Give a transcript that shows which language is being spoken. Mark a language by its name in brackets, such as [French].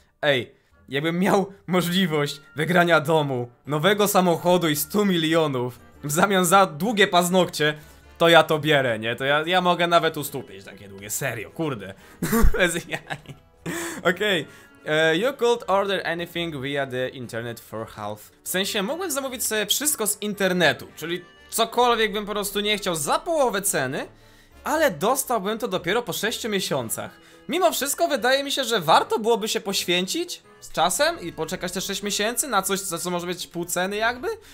[Polish] Ej, jakbym miał możliwość wygrania domu, nowego samochodu i 100 milionów w zamian za długie paznokcie, to ja to bierę, nie? To ja mogę nawet ustąpić takie długie, serio, kurde, bez jaj. Okej. Okay. [English] You could order anything via the internet for half. [Polish] W sensie, mógłbym zamówić sobie wszystko z internetu, czyli cokolwiek bym po prostu nie chciał za połowę ceny, ale dostałbym to dopiero po 6 miesiącach. Mimo wszystko wydaje mi się, że warto byłoby się poświęcić z czasem i poczekać te 6 miesięcy na coś, co może być pół ceny jakby.